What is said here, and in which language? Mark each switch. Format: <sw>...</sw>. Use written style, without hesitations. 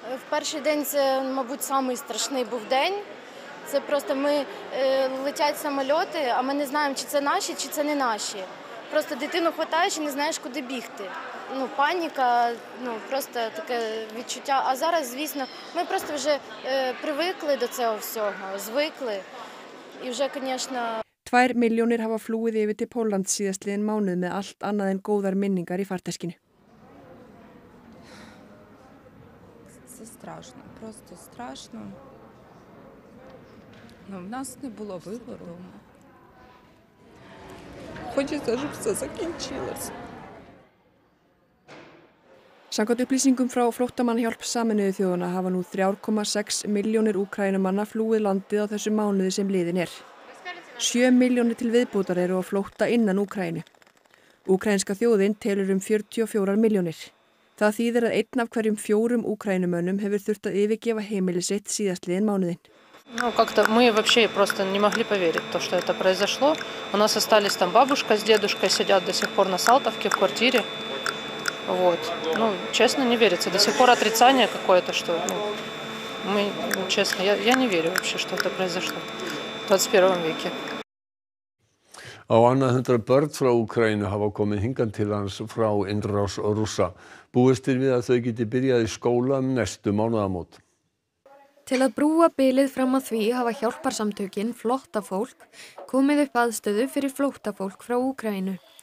<uk>Перший день це, мабуть, самий страшний був день. Це просто ми летять самоліти, а ми не знаємо, чи це наші, чи це не наші. Просто дитину хватаєш і не знаєш, куди бігти. Ну, паніка, ну, просто таке відчуття. А зараз, звісно, ми просто вже привикли до цього всього, звикли. І вже, звісно...</uk> <is>2 мільйони hafa flúið yfir til Pólland síðastliðin mánuð með allt annað en góðar minningar í farteskinu.</is> <uk>Це страшно, просто страшно. Ну, у нас не було вибору. Хочеться, щоб все закінчилося.</uk> <is>Samkvæmt upplýsingum frá flóttamannahjálp Sameinuðu þjóðanna hafa nú 3,6 milljónir Úkraínumanna flúið landið á þessu mánuði sem liðin 7 milljónir til viðbótar eru á flótta innan Úkraínu. Úkraínska þjóðin telur 44 milljónir. Það þýðir að einn af hverjum 4 Úkraínumönnum hefur þurft að yfirgefa heimili sitt síðastliðin mánuðin.</is> <ru>Ну, как-то мы вообще просто не могли поверить то, что это произошло. У нас остались там бабушка с дедушкой сидят до сих пор на Салтовке в квартире. Вот. Ну, честно, не верится. До сих пор отрицание какое-то, что ну, мы, ну, честно, я не верю вообще, что это произошло в 21 веке.</ru> <is>Á annað 100 börn frá Úkraínu hafa komið hingað til hans frá innrás Rússa. Búist þér við að þau geti byrjað í skóla um næstu mánuðamót? Til að brúa bilið fram að því hafa hjálparsamtökin flóttafólk komið upp aðstöðu fyrir flóttafólk frá Úkraínu.</is>